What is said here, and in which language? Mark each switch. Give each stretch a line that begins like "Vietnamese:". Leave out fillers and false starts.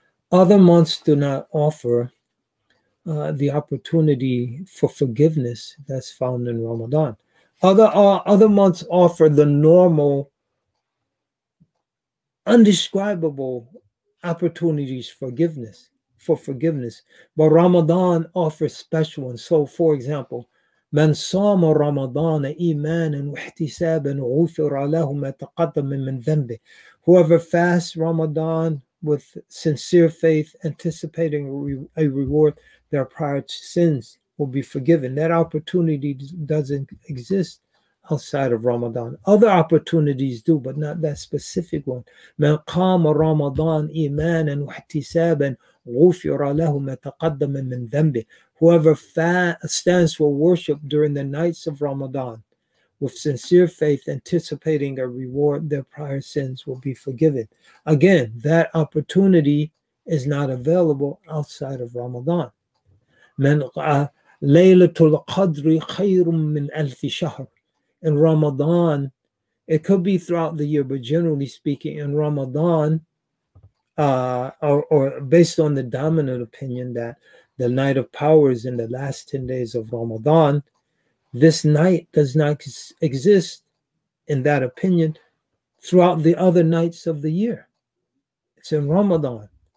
English: Other months do not offer the opportunity for forgiveness that's found in Ramadan. Other months offer the normal, indescribable opportunities for forgiveness. But Ramadan offers special ones. So, for example,
Arabic: من صام رمضان إيمانا واحتسابا غفر له ما تقدم من ذنبه.
English: Whoever fasts Ramadan with sincere faith, anticipating a reward, their prior sins will be forgiven. That opportunity doesn't exist outside of Ramadan. Other opportunities do, but not that specific one.
Arabic: من قام رمضان إيمانا واحتسابا غفر له ما تقدم من ذنبه.
English: Whoever stands for worship during the nights of Ramadan with sincere faith, anticipating a reward, their prior sins will be forgiven. Again, that opportunity is not available outside of Ramadan.
Arabic: من ليلة القدر خير من ألف شهر.
English: In Ramadan, it could be throughout the year, but generally speaking, in Ramadan, or based on the dominant opinion that the night of power is in the last 10 days of Ramadan, this night does not exist, in that opinion, throughout the other nights of the year. It's in Ramadan.